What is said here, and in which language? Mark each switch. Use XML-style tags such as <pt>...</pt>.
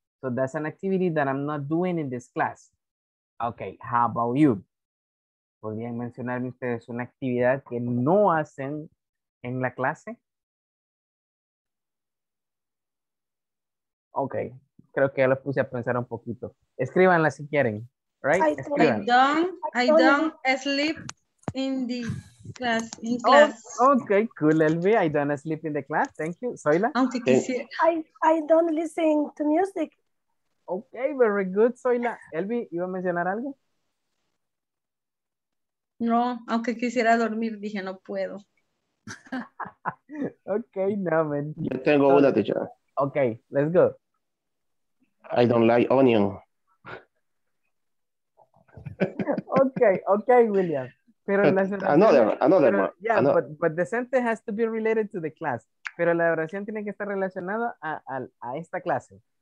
<en>So that's an activity that I'm not doing in this class. Okay, how about you?</en> <es>¿Podrían mencionarme ustedes una actividad que no hacen en la clase? Okay, creo que ya lo puse a pensar un poquito. Escríbanla si quieren, right?</es> <en>I don't sleep in the class. Okay, cool, Elvi. I don't sleep in the class. Thank you. Zoila? I don't listen to music. Okay, very good,</en> <es>Zoila. Elvi, ¿iba a mencionar algo? No, aunque quisiera dormir, dije, no puedo.</es> <en>Okay, no, man.</en> <es>Yo tengo una, teacher.</es> <en>Okay, let's go. I don't like onion.</en> <es>okay, William. Pero la</es> <en>another pero, one. Yeah, another. But the sentence has to be related to the class.</en> <es>Pero la oración tiene que estar relacionada a esta clase.</es>